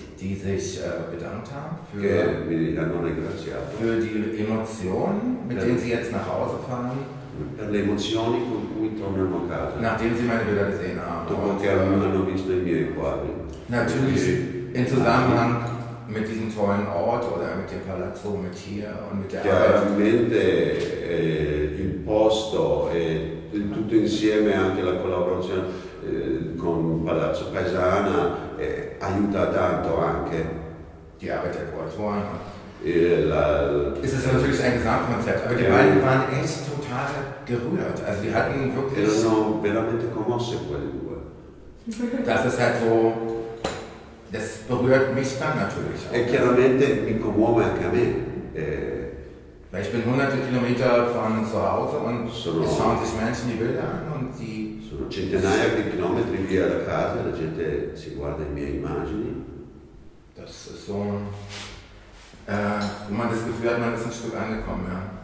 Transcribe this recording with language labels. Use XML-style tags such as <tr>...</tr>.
<de>Die die sich bedankt haben für, für die Emotionen, mit denen sie jetzt nach Hause fahren.</de> <it>Per le emozioni con cui tornano a casa.</it> <de>Nachdem sie meine Bilder gesehen haben.</de> <it>Dopo che hanno visto i miei quadri.</it> <de>Natürlich in Zusammenhang mit diesem tollen Ort oder mit dem Palazzo, mit hier und mit der Arbeit.</de> <it>Chiaramente il posto e tutto insieme anche la collaborazione con Palazzo Paesana aiuta tanto anche.</it> <de>Die Arbeit der Kuratoren. Es ist natürlich ein Gesamtkonzept, aber die beiden waren echt total gerührt. Also die hatten wirklich.</de> <it>Erano veramente commosse quelle due.</it> <de>Das ist halt so. Das berührt mich dann natürlich.</de> <it>E chiaramente mi commuove anche a me.</it> <de>Weil ich bin hunderte Kilometer von zu Hause und es schauen sich Menschen die Bilder an und die.</de> <it>Sono centinaia di chilometri via da casa, la gente si guarda le mie immagini.</it> <de>Das ist so. Wo man das Gefühl hat, man ist ein Stück angekommen, ja.</de>